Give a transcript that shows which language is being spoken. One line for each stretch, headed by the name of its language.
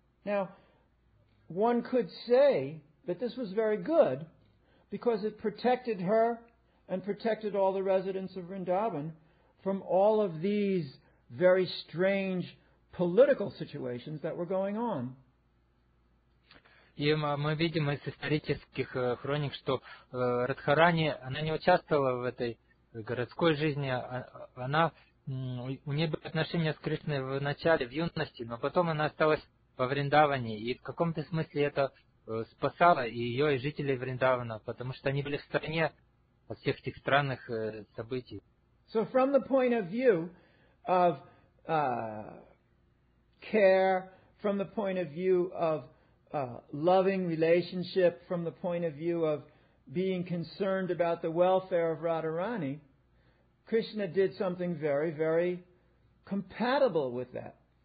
English: Now, one could say that this was very good because it protected her and protected all the residents of Vrindavan from all of these very strange political situations that were going on.
Russian: И мы видим из исторических хроник, что Радхарани, она не участвовала в этой городской жизни, она, у нее были отношения с Кришной в начале, в юности, но потом она осталась во Вриндаване, и в каком-то смысле это спасало и ее, и жителей Вриндавана, потому что они были в стороне от всех этих странных событий.
English: So from the point of view of care, from the point of view of loving relationship, from the point of view of being concerned about the welfare of Radharani, Krishna did something very, very compatible with that.